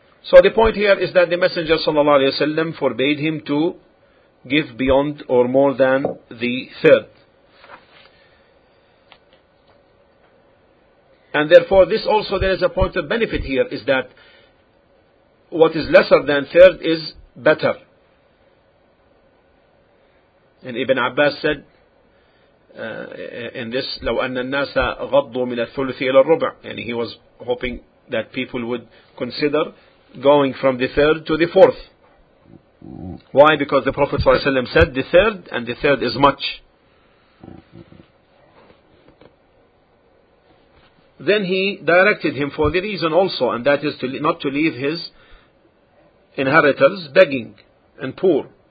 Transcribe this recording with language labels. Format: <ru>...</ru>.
<en>So the point here is that the Messenger sallallahu alaihi wasallam forbade him to give beyond or more than the third. And therefore this also, there is a point of benefit here, is that what is lesser than third is better.</en> <ar>And Ibn Abbas said in this, لو أن الناس غضوا من الثلث إلى الربع.</ar> <en>And he was hoping that people would consider going from the third to the fourth. Why? Because the Prophet ﷺ said the third, and the third is much. Then he directed him for the reason also, and that is not to leave his inheritors begging and poor.</en>